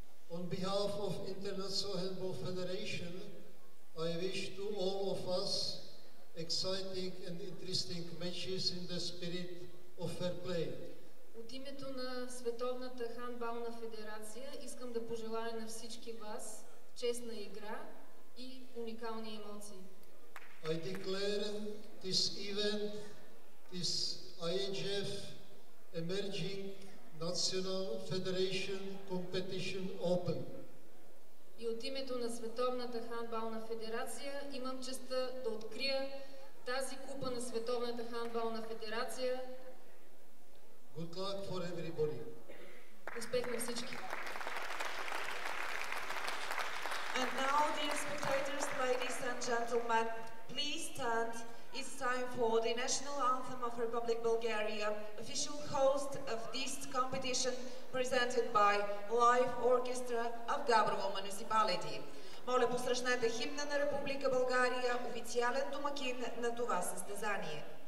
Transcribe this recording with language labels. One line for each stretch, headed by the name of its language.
English: On behalf of International Handball Federation, I wish to all of us exciting and interesting matches in the spirit of fair play.
Bulgarian: От името на Световната хандбална федерация искам да пожелая на всички вас честна игра и уникални емоции.
English: I declare this event, this IHF Emerging National Federation Competition open.
Bulgarian: И от името на Световната хандбална федерация имам честа да открия тази купа на Световната хандбална федерация.
English: Good luck for everybody.
Bulgarian: Успех на всички.
English: And now, dear spectators, ladies and gentlemen, please stand. It's time for the National Anthem of Republic Bulgaria, official host of this competition, presented by Live Orchestra of Gabrovo Municipality.
Bulgarian: Моля, посрещнете химна на Република България, официален домакин на това състезание.